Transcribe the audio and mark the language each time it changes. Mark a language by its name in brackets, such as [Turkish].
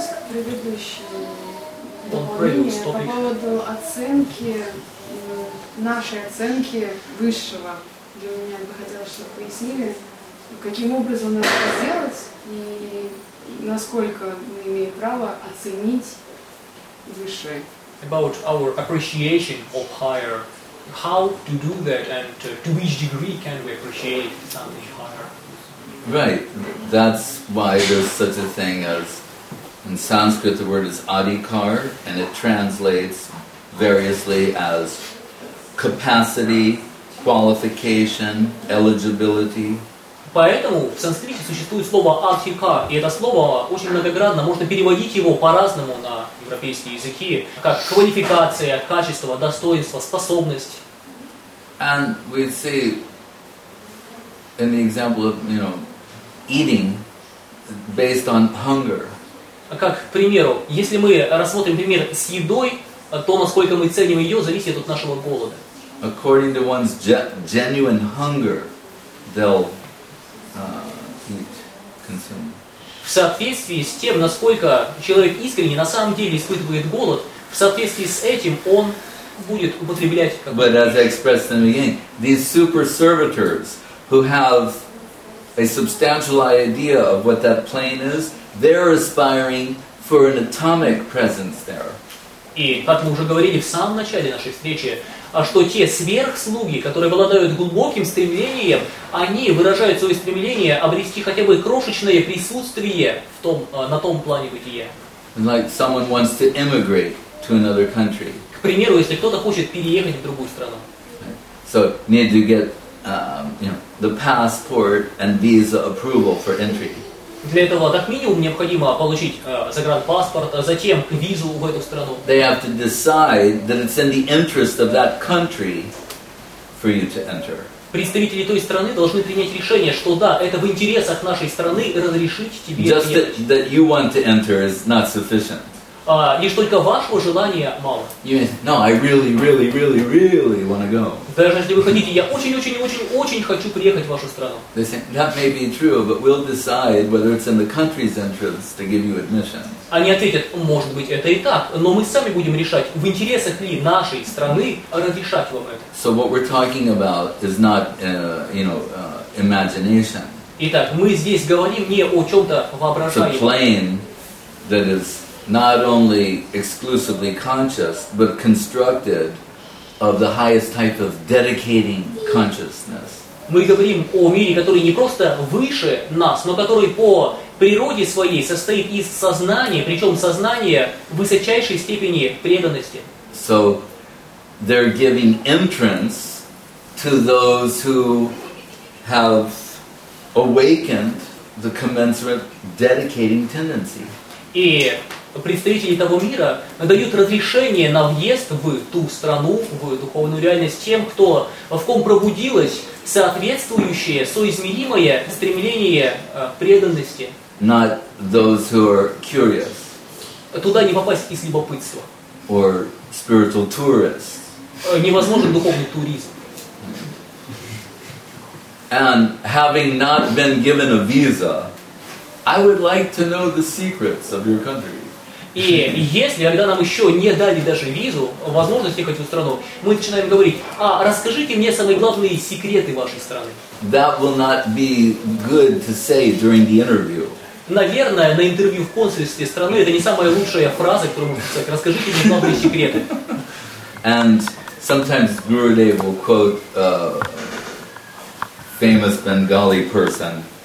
[Russian] предыдущее дополнение по поводу оценки, нашей оценки высшего. Для меня бы хотелось, чтобы пояснили, каким образом надо это сделать и насколько мы имеем право оценить высшее. [English] About our appreciation of higher, how to do that, and to which degree can we appreciate something higher? Right, that's why there's such a thing as, in Sanskrit the word is adhikar, and it translates variously as capacity, qualification, eligibility. [Russian] Поэтому в санскрите существует слово adhikar, и это слово очень многогранно, можно переводить его по-разному на европейские языки, как квалификация, качество, достоинство, способность. [English] And we see in the example of, you know, eating based on hunger. [Russian] Как, к примеру, если мы рассмотрим пример с едой, то насколько мы ценим ее, зависит от нашего голода. [English] According to one's genuine hunger, they'll eat, consume. [Russian] В соответствии с тем, насколько человек искренне на самом деле испытывает голод, в соответствии с этим он будет употреблять как-то. [English] But as I expressed in the beginning, these super servitors who have a substantial idea of what that plane is, they're aspiring for an atomic presence there. [Russian] И, как мы уже говорили в самом начале нашей встречи, что те сверхслуги, которые обладают глубоким стремлением, они выражают свое стремление обрести хотя бы крошечное присутствие в том, на том плане бытия. [English] Like someone wants to immigrate to another country. [Russian] К примеру, если кто-то хочет переехать в другую страну. [English] So, need to get the passport and visa approval for entry. [Russian] Для этого, как минимум, необходимо получить загранпаспорт, а затем визу в эту страну. [English] They have to decide that it's in the interest of that country for you to enter. [Russian] Представители той страны должны принять решение, что да, это в интересах нашей страны разрешить тебе [English] Just принять. Just that you want to enter is not sufficient. [Russian] Лишь только вашего желания мало. [English] You mean, no, I really, really, really, really want to go. [Russian] Даже если вы хотите, я очень-очень-очень-очень хочу приехать в вашу страну. [English] They say, that may be true, but we'll decide whether it's in the country's interest to give you admission. [Russian] Они ответят, может быть, это и так, но мы сами будем решать, в интересах ли нашей страны разрешать вам это. [English] So what we're talking about is not, imagination. [Russian] Итак, мы здесь говорим не о чем-то воображаемом. [English] It's a plane that is not only exclusively conscious, but constructed of the highest type of dedicating consciousness. [Russian] Мы говорим о мире, который не просто выше нас, но который по природе своей состоит из сознания, причем сознания высочайшей степени преданности. [English] So they're giving entrance to those who have awakened the commensurate dedicating tendency. [Russian] И представители того мира дают разрешение на въезд в ту страну, в духовную реальность тем, кто, в ком пробудилось соответствующее, соизмеримое стремление преданности. [English] Not those who are curious. [Russian] Туда не попасть из любопытства. [English] Or spiritual tourists. [Russian] Невозможен духовный туризм. [English] And having not been given a visa, I would like to know the secrets of your country. [Russian] И если, когда нам еще не дали даже визу, возможность ехать в страну, мы начинаем говорить, расскажите мне самые главные секреты вашей страны. [English] That will not be good to say during the interview. [Russian] Наверное, на интервью в консульстве страны это не самая лучшая фраза, которую можно сказать. Расскажите мне главные секреты. [English] And sometimes Gurudev will quote a famous Bengali person.